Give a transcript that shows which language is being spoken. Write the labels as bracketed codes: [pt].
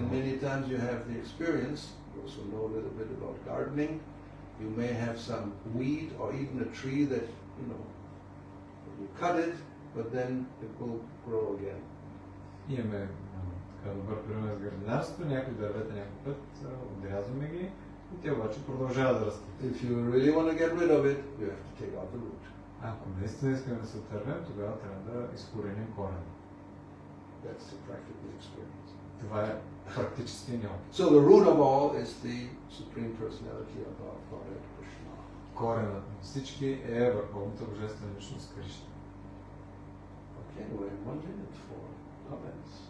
[en] And many times you have the experience, you also know a little bit about gardening, you may have some weed or even a tree that, you know, you cut it, but then it will grow again. [bg] Имаме добър пример с гърдинарството, някои дървета някой път, отрязваме ги и те обаче продължават да растат. [en] If you really want to get rid of it, you have to take out the root. [bg] Ако наистина искаме да се отървем, тогава трябва да изкореним корена. [en] That's the practical experience. [bg] Това е практически опит. [en] So the root of all is the Supreme Personality of our Godhead Krishna. [bg] Коренът на всички е върховната божествена личност Кришна. [en] Okay, we have 1 minute for comments.